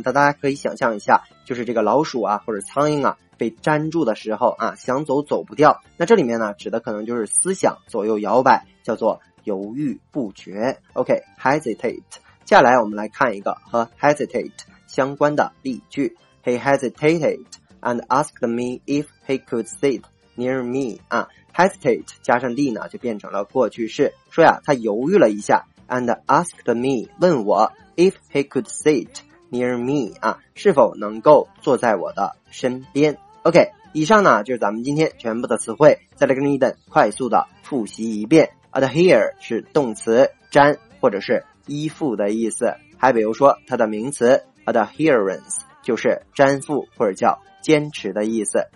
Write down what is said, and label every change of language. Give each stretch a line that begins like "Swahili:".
Chinese: 那大家可以想象一下，就是这个老鼠啊或者苍蝇啊被粘住的时候啊，想走走不掉，那这里面呢指的可能就是思想左右摇摆，叫做犹豫不决。
English: OK hesitate。
Chinese: 接下来我们来看一个和 hesitate 相关的例句。
English: He hesitated and asked me if he could sit near me
Chinese: 啊，hesitate 加上 d 呢就变成了过去式，说呀他犹豫了一下，
English: and asked me
Chinese: 问我
English: if he could sit near me
Chinese: 啊，是否能够坐在我的身边。 OK 以上呢就是咱们今天全部的词汇，再来跟 Eden 快速的复习一遍。 adhere 是动词，粘或者是依附的意思，还比如说它的名词 adherence 就是粘附或者叫坚持的意思。